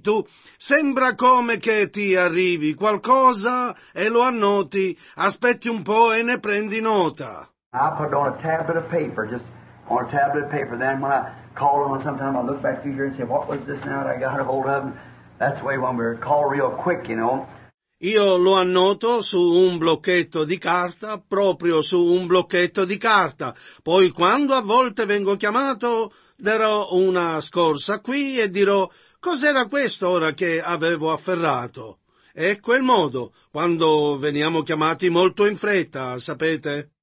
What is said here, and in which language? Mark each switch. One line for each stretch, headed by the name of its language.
Italian: Tu sembra come che ti arrivi qualcosa e lo annoti, aspetti un po' e ne prendi nota.
English: On a tablet of paper. Then when I call on them, sometimes I look back through here and say, what was this now that I got a hold of? That's the way when we call real quick, you know.
Italian: Io lo annoto su un blocchetto di carta, proprio su un blocchetto di carta. Poi quando a volte vengo chiamato, darò una scorsa qui e dirò, cos'era questo ora che avevo afferrato? È quel modo, quando veniamo chiamati molto in fretta, sapete?